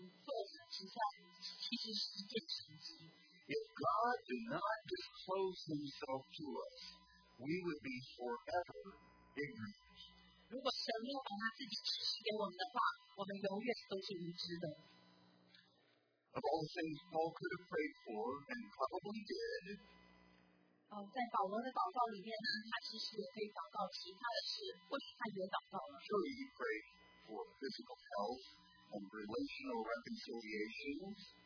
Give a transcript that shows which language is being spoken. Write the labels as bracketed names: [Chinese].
[Chinese] 但是神呢，他把照明我们心中眼睛的这件事情做成，其实是一件神迹。 [English] If God did not disclose Himself to us, we would be forever ignorant. [Chinese] 如果神没有把他自己启示给我们的话，我们永远都是无知的。 [English] Of all the things Paul could have prayed for, and probably did, surely he prayed for physical health and relational reconciliations.